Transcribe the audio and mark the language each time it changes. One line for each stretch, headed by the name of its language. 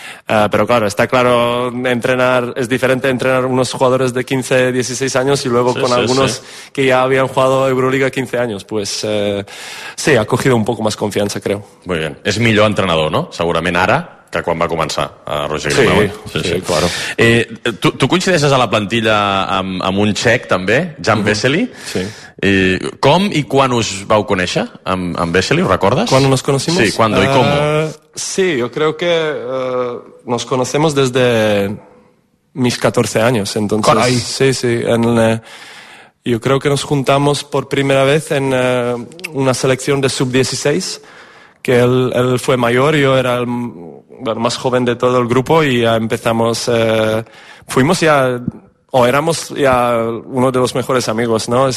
Spanish: Pero claro, está claro, es diferente entrenar unos jugadores de 15, 16 años y luego algunos que ya habían jugado Euroliga 15 años. Pues sí, ha cogido un poco más confianza, creo. Muy bien.
Catalan: Es millor entrenador, ¿no? Segurament ara que quan va començar a Roger Grimau.
Spanish: Sí, claro.
Catalan: Tu coincideixes a la plantilla amb un txec, també, Jan Veselý. Sí. Com i quan us vau conèixer amb Veselý, ho recordes?
Spanish: Quan nos conocimos?
Catalan: Sí, quan i com?
Spanish: Sí, yo creo que nos conocemos desde mis 14 años, entonces... Caray. Sí, sí, yo creo que nos juntamos por primera vez en una selección de sub-16, que él fue mayor, yo era el más joven de todo el grupo y ya empezamos, éramos ya uno de los mejores amigos, ¿no?